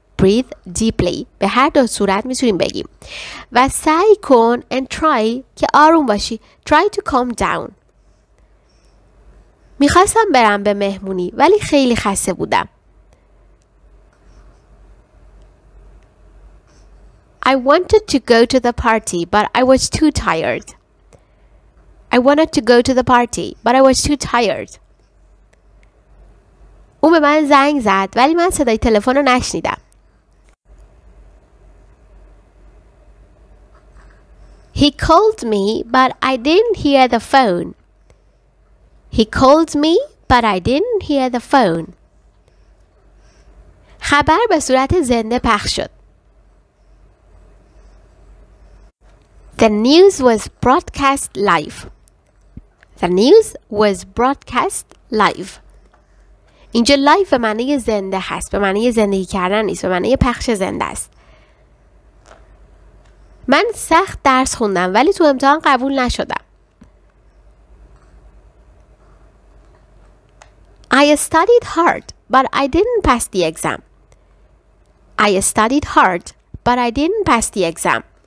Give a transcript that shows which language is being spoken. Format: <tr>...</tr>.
<en>Breathe deeply.</en> <fa>به هر دو صورت میتونیم بگیم. و سعی کن</fa> <en>and try</en> <fa>که آروم باشی.</fa> <en>Try to calm down.</en> <fa>میخواستم برم به مهمونی ولی خیلی خسته بودم.</fa> <en>I wanted to go to the party, but I was too tired. I wanted to go to the party, but I was too tired.</en> <fa>اون به من زنگ زد ولی من صدای تلفن رو نشنیدم.</fa> <en>He called me, but I didn't hear the phone. He called me, but I didn't hear the phone.</en> <fa>خبر به صورت زنده پخش شد.</fa> <en>The news was broadcast live. The news was broadcast live.</en> <fa>اینجا live به معنی زنده هست. به معنی زندگی کردن نیست. به معنی پخش زنده است. من سخت درس خوندم ولی تو امتحان قبول نشدم.</fa> <en>I studied hard, but I didn't pass the exam. I studied hard, but I didn't pass the exam.</en>